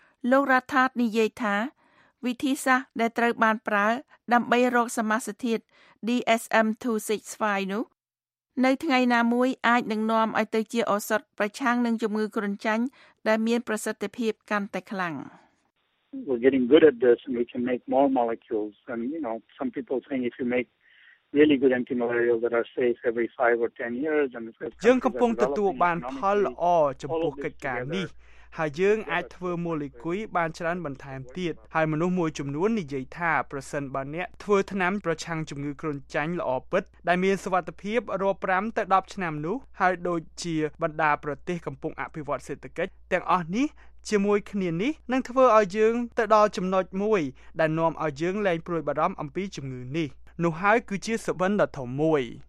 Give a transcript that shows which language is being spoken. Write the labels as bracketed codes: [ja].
[km] លោករដ្ឋាភិបាលនិយាយថាវិធីសាស្ត្រដែលត្រូវបានប្រើដើម្បីរកសមាសធាតុ DSM-265 នោះនៅថ្ងៃណាមួយអាចនឹងនាំឲ្យទៅជាឱសថប្រឆាំងនឹងជំងឺគ្រុនចាញ់ដែលមានប្រសិទ្ធភាពកាន់តែខ្លាំង [en] We're getting good at this and we can make more molecules and you know some people think if you make really good antimalarials that are safe every 5 or 10 years and [km] យើងកំពុងទទួលបានផលល្អចំពោះកិច្ចការនេះហើយយើងអាចធ្វើម៉ូលេគុយបានច្រើនបន្ថែមទៀតហើយមនុស្សមួយចំនួននិយាយថាប្រសិនបើអ្នកធ្វើថ្នាំប្រឆាំងជំងឺគ្រុនចាញ់ល្អពិតដែលមានសុវត្ថិភាពរាប់5ទៅ10ឆ្នាំនោះហើយដូចជាបណ្ដាប្រទេសកំពុងអភិវឌ្ឍសេដ្ឋកិច្ចទាំងអស់នេះជាមួយគ្នានេះនឹងធ្វើឲ្យយើងទៅដល់ចំណុចមួយដែលនាំឲ្យយើងលែងព្រួយបារម្ភអំពីជំងឺនេះនោះហើយគឺជាសុបិនដ៏ធំមួយ